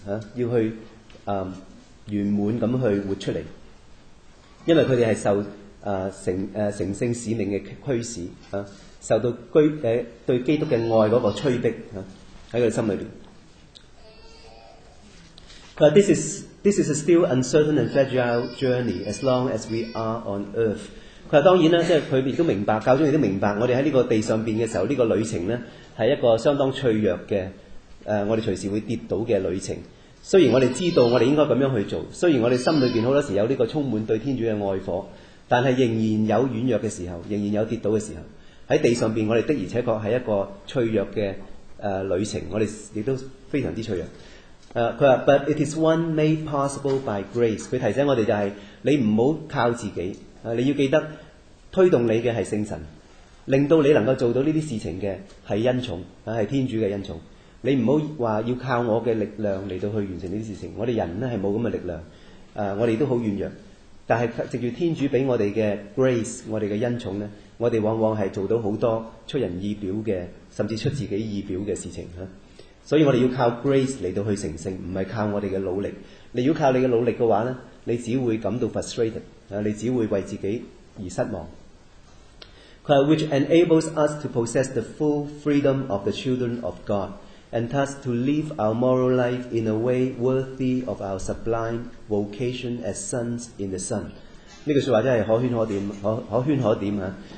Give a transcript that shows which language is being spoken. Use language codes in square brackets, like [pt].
[zh] 要去圆满地去活出来，因为他们是受成圣使命的驱使，受到对基督的爱的催逼，在他们心里面。 [en] This is a still uncertain and fragile journey as long as we are on earth. [zh] 他说当然他们都明白，教宗也明白，我们在这个地上的时候，这个旅程呢是一个相当脆弱的，我们随时会跌倒的旅程。虽然我们知道我们应该这样去做，虽然我们心里面很多时候有这个充满对天主的爱火，但是仍然有软弱的时候，仍然有跌倒的时候。在地上面我们的而且确是一个脆弱的旅程，我们也都非常之脆弱。他说 [en] But it is one made possible by grace. [zh] 他提醒我们就是你不要靠自己，你要记得推动你的是圣神，令到你能够做到这些事情的是恩宠，是天主的恩宠。你不要说要靠我的力量来去完成这些事情，我们人是没有这样的力量，我们都很软弱，但是藉着天主给我们的 grace， 我们的恩宠，我们往往是做到很多出人意表的，甚至出自己意表的事情。所以我们要靠 grace 来去成圣，不是靠我们的努力。你要靠你的努力的话，你只会感到 frustrated， 你只会为自己而失望。他说 [en] which enables us to possess the full freedom of the children of GodAnd thus to live our moral life in a way worthy of our sublime vocation as sons in the sun. [zh] 这句话真是可圈可点，可圈可点。